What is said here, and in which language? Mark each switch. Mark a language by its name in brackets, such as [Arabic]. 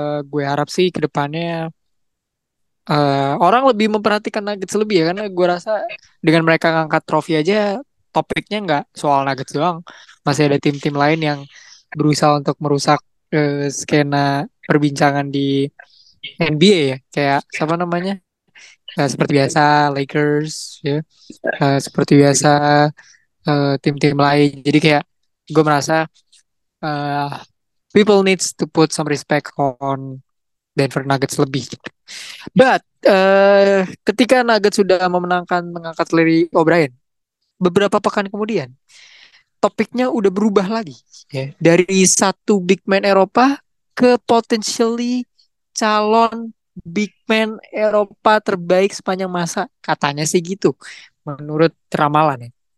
[Indonesian] Gue harap sih kedepannya orang lebih memperhatikan Nuggets lebih ya, karena gue rasa dengan mereka ngangkat trofi aja topiknya nggak soal Nuggets doang, masih ada tim-tim lain yang berusaha untuk merusak skena perbincangan di NBA ya, kayak siapa namanya seperti biasa Lakers ya, seperti biasa tim-tim lain. Jadi kayak gue merasa [English] people needs to put some respect on Denver Nuggets [Indonesian] lebih. [English] But [Indonesian] ketika Nuggets sudah memenangkan mengangkat Larry O'Brien, beberapa pekan kemudian topiknya udah berubah lagi ya, dari satu big man Eropa ke [English] potentially [Indonesian] calon big man Eropa terbaik sepanjang masa, katanya sih gitu menurut ramalan ya.